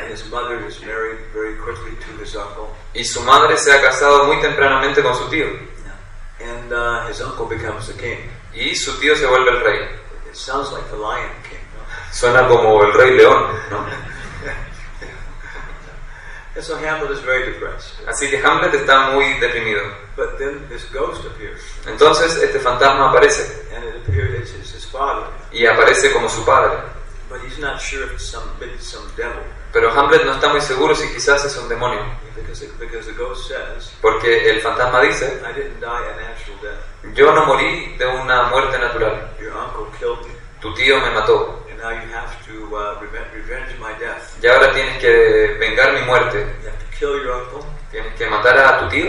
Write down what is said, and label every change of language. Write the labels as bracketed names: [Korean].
[English] And his mother is married very quickly to his uncle. [Spanish] Y su madre se ha casado muy tempranamente con su tío. [English] Yeah. And his uncle becomes the king. [Spanish] Y su tío se vuelve el rey. [English] It sounds like the Lion King, no? [Spanish] Suena como el rey león, ¿no? [English] And so Hamlet is very depressed. [Spanish] Así que Hamlet está muy deprimido. [English] But then this ghost appears. [Spanish] Entonces este fantasma aparece. [English] And it appears as his father. [Spanish] Y aparece como su padre. [English] But he's not sure if it's some devil. [Spanish] Pero Hamlet no está muy seguro si quizás es un demonio. [English] Because the ghost says, [Spanish] porque el fantasma dice, [English] I didn't die a natural death. [Spanish] Yo no morí de una muerte natural. [English] Your uncle killed me. [Spanish] Tu tío me mató. [English] Now you have to revenge my death. [Spanish] Y ahora tienes que vengar mi muerte. [English] Yeah, kill your uncle. [Spanish] Tienes que matar a tu tío.